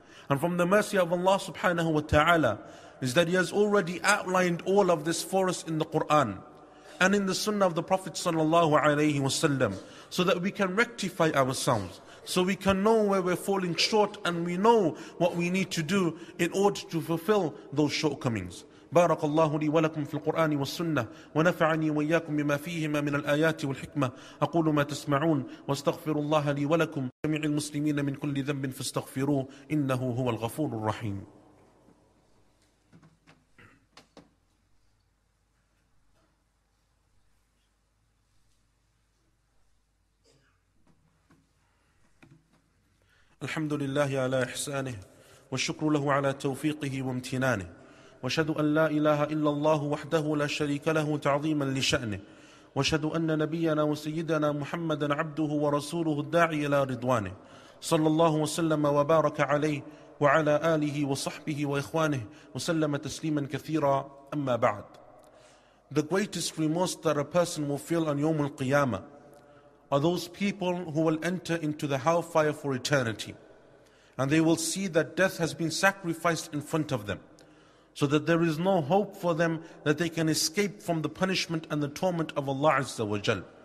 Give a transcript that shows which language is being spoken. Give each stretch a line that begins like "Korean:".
English: And from the mercy of Allah subhanahu wa ta'ala, is that He has already outlined all of this for us in the Qur'an and in the sunnah of the Prophet sallallahu alayhi wa sallam, so that we can rectify ourselves, so we can know where we're falling short and we know what we need to do in order to fulfill those shortcomings.
Arabic: بارك الله لي ولكم في القرآن والسنة ونفعني وإياكم بما فيهما من الآيات والحكمة أقول ما تسمعون واستغفر الله لي ولكم جميع المسلمين من كل ذنب فاستغفروه إنه هو الغفور الرحيم. الحمد لله على إحسانه والشكر له على توفيقه وامتنانه وأشهد أن لا إله إلا الله وحده لا شريك له تعظيما لشأنه وأشهد أن نبينا وسيدنا محمدا عبده ورسوله الداعي إلى رضوانه صلى الله وسلم وبارك عليه وعلى آله وصحبه وإخوانه وسلم تسليما كثيرا أما بعد.
English: The greatest remorse that a person will feel on يوم القيامة are those people who will enter into the hellfire for eternity, and they will see that death has been sacrificed in front of them, so that there is no hope for them that they can escape from the punishment and the torment of Allah Azza wa Jal.